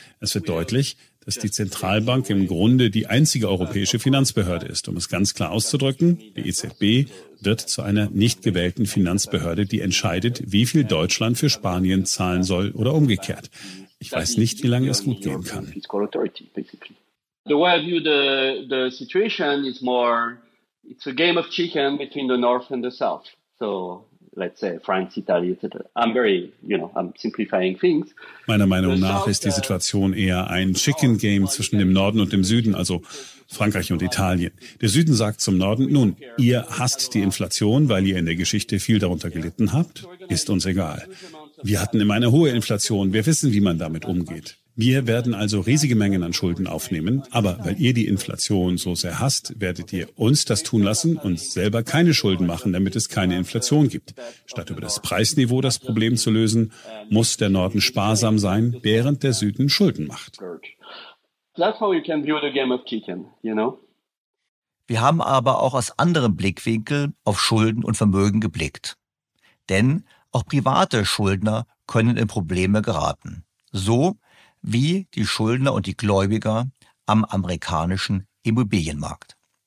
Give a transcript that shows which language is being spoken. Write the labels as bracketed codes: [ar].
[de] Es wird deutlich, dass die Zentralbank im Grunde die einzige europäische Finanzbehörde ist. Um es ganz klar auszudrücken, die EZB wird zu einer nicht gewählten Finanzbehörde, die entscheidet, wie viel Deutschland für Spanien zahlen soll oder umgekehrt. Ich weiß nicht, wie lange es gut gehen kann. [en] The way I view the situation is more, it's a game of chicken between the north and the south. So let's say France, Italy, etc. I'm very, you know, I'm simplifying things. [de] Meiner Meinung nach ist die Situation eher ein Chicken Game zwischen dem Norden und dem Süden, also Frankreich und Italien. Der Süden sagt zum Norden, nun, ihr hasst die Inflation, weil ihr in der Geschichte viel darunter gelitten habt, ist uns egal. Wir hatten immer eine hohe Inflation, wir wissen, wie man damit umgeht. Wir werden also riesige Mengen an Schulden aufnehmen, aber weil ihr die Inflation so sehr hasst, werdet ihr uns das tun lassen und selber keine Schulden machen, damit es keine Inflation gibt. Statt über das Preisniveau das Problem zu lösen, muss der Norden sparsam sein, während der Süden Schulden macht. [en] That's how you can view the game of chicken, you know? [de] Wir haben aber auch aus anderen Blickwinkeln auf Schulden und Vermögen geblickt. Denn auch private Schuldner können in Probleme geraten. So wie die Schuldner und die Gläubiger am amerikanischen Immobilienmarkt.